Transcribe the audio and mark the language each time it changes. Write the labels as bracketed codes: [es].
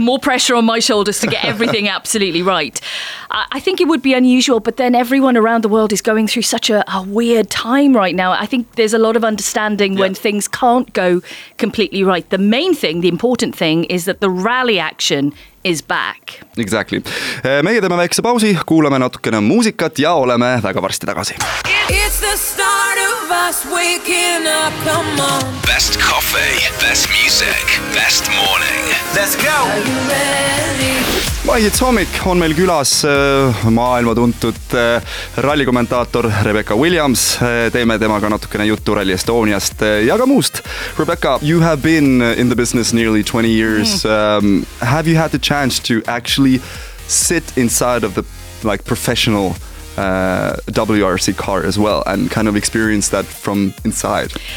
[en] More pressure on my shoulders to get everything absolutely right. I think it would be unusual, but then everyone around the world is going through such a weird time right now. I think there's a lot of understanding when things can't go completely right. The main thing, the important thing, is that the rally action is back. Exactly. [et] Meie teeme väikse pausi, kuuleme natukene muusikat ja oleme väga varsti tagasi. [en] It's the start of us waking up, come on. Best coffee, best music, best morning. Let's go! Are you ready? [et] Vahit Soomik on meil külas maailma tuntud rallikommentaator Rebecca Williams. Teeme temaga natukene juttu Rally Estoniast ja ka muust. [en] Rebecca, you have been in the business nearly 20 years. Have you had the chance to actually sit inside of the like professional WRC car as well and kind of experience that from inside?